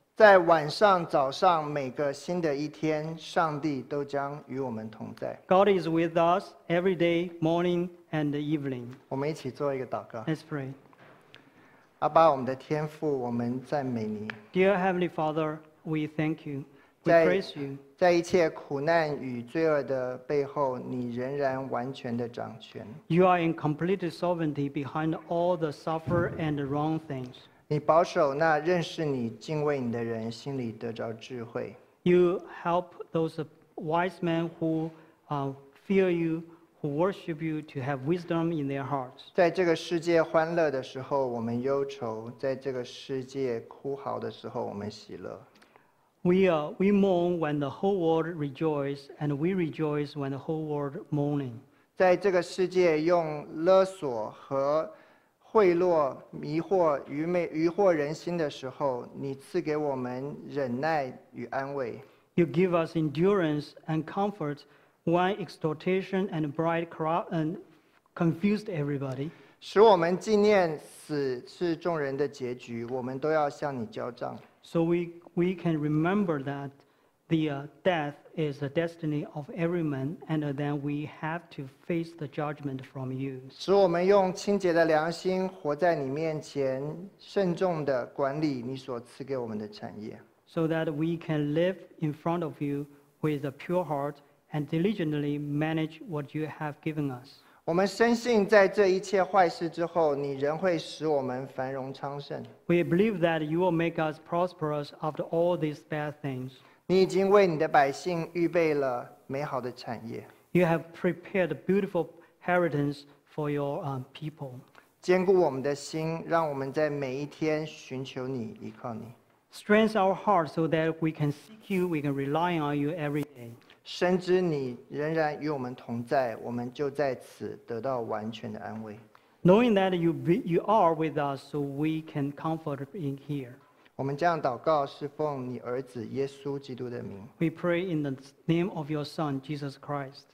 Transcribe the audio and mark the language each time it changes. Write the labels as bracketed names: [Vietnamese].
[Chinese] 在晚上、早上每个新的一天，上帝都将与我们同在。 [English] God is with us every day, morning and evening. [Chinese] 我们一起做一个祷告。 [English] Let's pray. [Chinese] 阿爸，我们的天父，我们赞美你。 [English] Dear Heavenly Father, we thank you. We praise you. [Chinese] 在一切苦难与罪恶的背后，你仍然完全的掌权。 [English] You are in complete sovereignty behind all the suffering and the wrong things. [Chinese] 你保守那认识你、敬畏你的人心里得着智慧。 [English] You help those wise men who fear you, who worship you, to have wisdom in their hearts. [Chinese] 在这个世界欢乐的时候，我们忧愁；在这个世界哭嚎的时候，我们喜乐。 [English] We mourn when the whole world rejoices, and we rejoice when the whole world mourning. [Chinese] 在这个世界用勒索和贿赂迷惑愚惑人心的时候，你赐给我们忍耐与安慰。 [English] You give us endurance and comfort when extortion and pride corrupt and confused everybody. [Chinese] 使我们纪念死是众人的结局，我们都要向你交账。 [English] So we can remember that the death is the destiny of every man, and then we have to face the judgment from you. [Chinese] 使我们用清洁的良心活在你面前，慎重地管理你所赐给我们的产业。 [English] So that we can live in front of you with a pure heart and diligently manage what you have given us. [Chinese] 我们深信在这一切坏事之后，你仍会使我们繁荣昌盛。 [English] We believe that you will make us prosperous after all these bad things. [Chinese] 你已经为你的百姓预备了美好的产业。 [English] You have prepared a beautiful inheritance for your people. [Chinese] 坚固我们的心，让我们在每一天寻求你，依靠你。 [English] Strengthen our hearts so that we can seek you, we can rely on you every day. [Chinese] 深知你仍然与我们同在，我们就在此得到完全的安慰。 [English] Knowing that you are with us, so we can comfort in here. [Chinese] 我们这样祷告，是奉你儿子耶稣基督的名。 [English] We pray in the name of your Son, Jesus Christ.